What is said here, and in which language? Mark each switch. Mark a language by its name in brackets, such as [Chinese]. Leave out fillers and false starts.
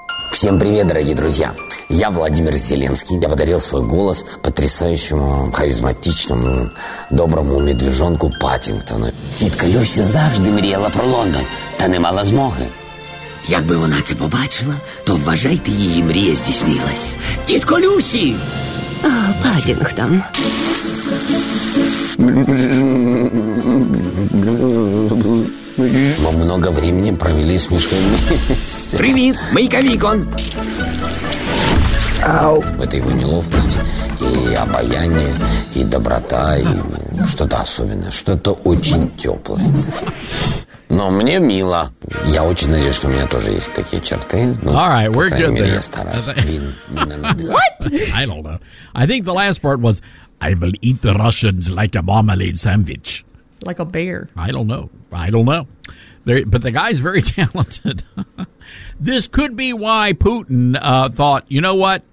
[Russian] Всем привет, дорогие друзья. Я Владимир Зеленский. Я подарил свой голос потрясающему, харизматичному, доброму медвежонку Паттингтону. [Ukrainian] Тітка Люсі завжди мріяла про Лондон, та не мала змоги. Якби вона це побачила, то вважайте, її мрія здійснилась. Тітко Люсі! О, Паддингтон. [Russian] Ми много времени провели с Мишкой вместе. [Ukrainian] Привіт, Мейка Вікон! Ау. [Russian] В этой его неловкости и обаяние, и доброта, и что-то особенное, что-то очень теплое. Но мне мило. Я очень надеюсь, что у меня тоже есть такие черты. [English] Ну, all right, we're good there. What? I don't know. I think the last part was, I will eat the Russians like a marmalade sandwich. Like a bear. I don't know. But the guy's very talented. This could be why Putin thought, you know what?